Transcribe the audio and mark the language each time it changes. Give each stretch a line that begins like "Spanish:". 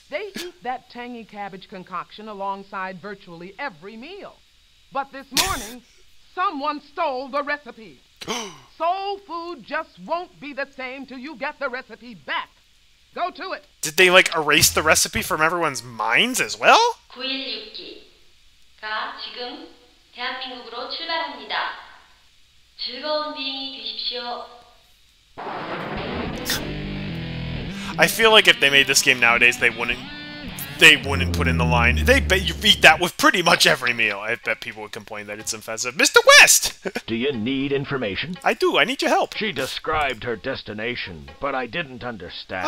English: They eat that tangy cabbage concoction alongside virtually every meal. But this morning... Someone stole the recipe. Soul food just won't be the same till you get the recipe back. Go to it. Did they, like, erase the recipe from everyone's minds as well?
Korean: 916기가 지금 대한민국으로 출발합니다. 즐거운 비행이 되십시오.
English: I feel like if they made this game nowadays, they wouldn't put in the line. They bet you beat that with pretty much every meal. I bet people would complain that it's offensive. Mr. West! Do you need information? I do. I need your help. She described her destination, but I didn't understand.